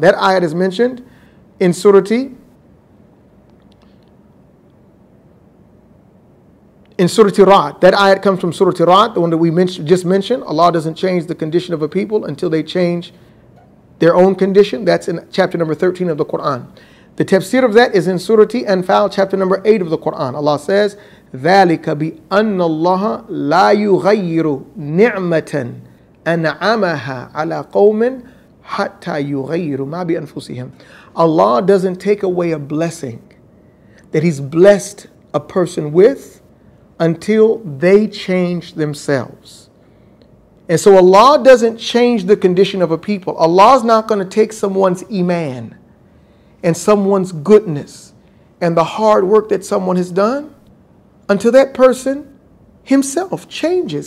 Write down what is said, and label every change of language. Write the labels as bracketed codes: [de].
[en] That ayat is mentioned in Surah Rad. That ayat comes from Surah Rad, the one that we just mentioned. Allah doesn't change the condition of a people until they change their own condition. That's in chapter number 13 of the Quran. The tafsir of that is in Surah Anfal, chapter number 8 of the Quran. Allah says, [ar] ذَلِكَ بِأَنَّ اللَّهَ لَا يُغَيِّرُ نِعْمَةً أَنْعَمَهَا عَلَىٰ قَوْمٍ حَتَّى يُغَيِّرُ مَا بِأَنفُسِهِمْ. [en] Allah doesn't take away a blessing that He's blessed a person with until they change themselves. And so Allah doesn't change the condition of a people. Allah's not going to take someone's iman and someone's goodness and the hard work that someone has done until that person himself changes.